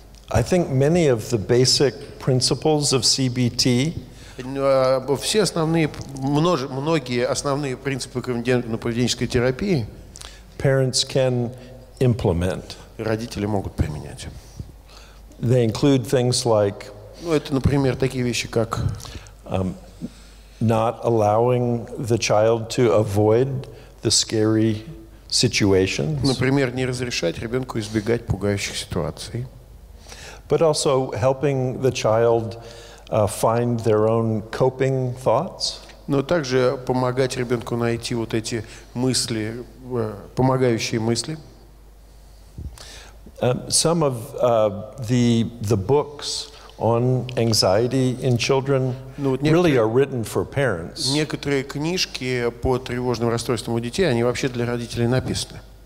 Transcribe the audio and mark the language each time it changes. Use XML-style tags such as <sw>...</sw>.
<en>I think many of the basic principles of CBT.</en> <ru>Все основные многие основные принципы когнитивно-поведенческой терапии.</ru> <en>Parents can implement.</en> <ru>Родители могут применять.</ru> <en>They include things like.</en> <ru>Ну это, например, такие вещи как.</ru> <en>Not allowing the child to avoid the scary.</en> <ru>Например, не разрешать ребенку избегать пугающих ситуаций.</ru> <en>But also helping the child find their own coping thoughts.</en> <ru>Но также помогать ребенку найти вот эти мысли, помогающие мысли.</ru> <en>Some of the books on anxiety in children really are written for parents.</en> <ru>Некоторые книжки по тревожным расстройствам у детей, они вообще для родителей написаны.</ru>